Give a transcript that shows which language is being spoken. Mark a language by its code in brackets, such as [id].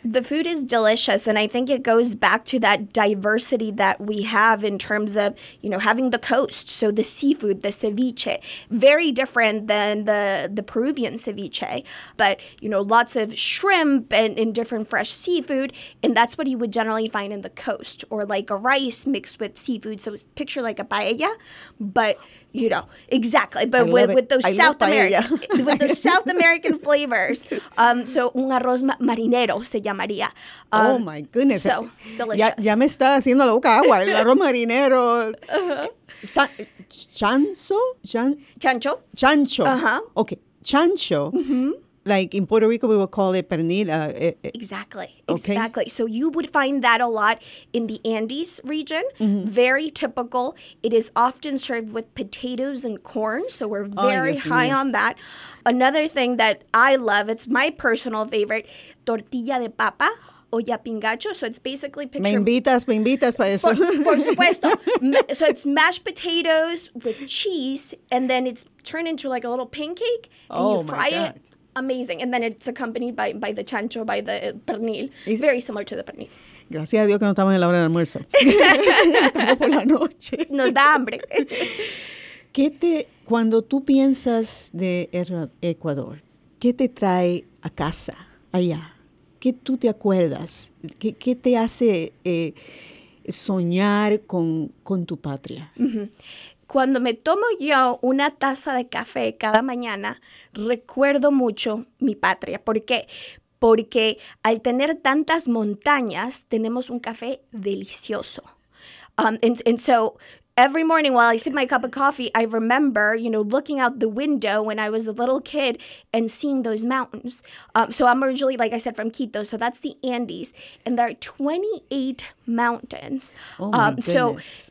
[en] The food is delicious, and I think it goes back to that diversity that we have in terms of, you know, having the coast, so the seafood, the ceviche, very different than the Peruvian ceviche, but, you know, lots of shrimp and different fresh seafood, and that's what you would generally find in the coast, or like a rice mixed with seafood, so picture like a paella, but, you know, exactly, but with those South American, with those South American flavors. [es] So un arroz marinero se llamaría. [en] Oh my goodness. So delicious. [es] Ya me está haciendo la boca agua, el arroz marinero. Chancho? Chancho. Uh-huh. [en] Okay, chancho. Mm-hmm. Like in Puerto Rico, we would call it pernil. Exactly. Okay. Exactly. So you would find that a lot in the Andes region. Mm-hmm. Very typical. It is often served with potatoes and corn. So we're very high on that. Another thing that I love, it's my personal favorite, tortilla de papa. Olla pingacho, so it's basically picture. [es] Me invitas para eso. Por supuesto. [en] So it's mashed potatoes with cheese, and then it's turned into like a little pancake, and you fry it. Amazing. And then it's accompanied by the chancho, by the pernil. It's very similar to the pernil. [es] Gracias a Dios que no estamos en la hora de almuerzo. Por la noche. Nos da hambre. Cuando tú piensas de Ecuador, ¿qué te trae a casa, allá? ¿Qué tú te acuerdas? ¿Qué te hace soñar con tu patria? Uh-huh. Cuando me tomo yo una taza de café cada mañana, recuerdo mucho mi patria. ¿Por qué? Porque al tener tantas montañas, tenemos un café delicioso. [en] So every morning while I sip my cup of coffee, I remember, you know, looking out the window when I was a little kid and seeing those mountains. So I'm originally, like I said, from Quito. So that's the Andes. And there are 28 mountains. Oh, my goodness.